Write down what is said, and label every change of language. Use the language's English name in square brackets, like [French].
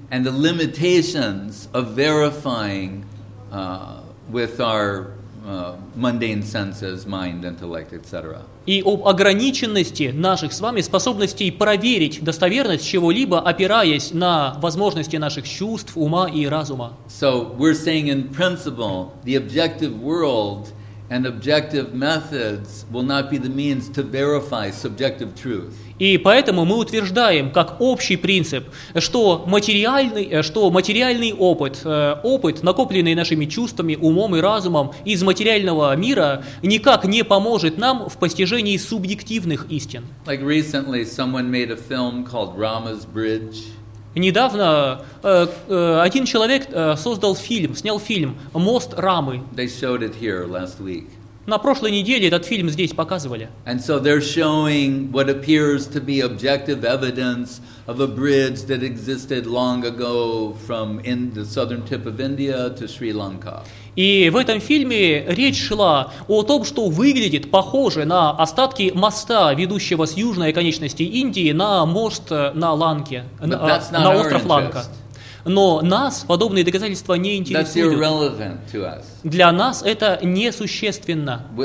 [English] And the limitations of verifying with our mundane senses, mind, intellect, etc. [Russian] И об ограниченности наших с вами способностей проверить достоверность чего-либо, опираясь на возможности наших чувств, ума и разума. [English] So we're saying in principle, the objective world and objective methods will not be the means to verify subjective truth. [Russian] И поэтому мы утверждаем, как общий принцип, что материальный опыт, опыт, накопленный нашими чувствами, умом и разумом из материального мира, никак не поможет нам в постижении субъективных истин. [English] Like recently someone made a film called Rama's Bridge. [Russian] Недавно один человек создал фильм, снял фильм «Мост Рамы». [English] They showed it here last week. [Russian] На прошлой неделе этот фильм здесь показывали. [English] And so they're showing what appears to be objective evidence of a bridge that existed long ago from in the southern tip of India to Sri Lanka. [Russian] И в этом фильме речь шла о том, что выглядит похоже на остатки моста, ведущего с южной конечности Индии на мост на Ланке, на остров Ланка. Но нас подобные доказательства не интересуют. Для нас это несущественно.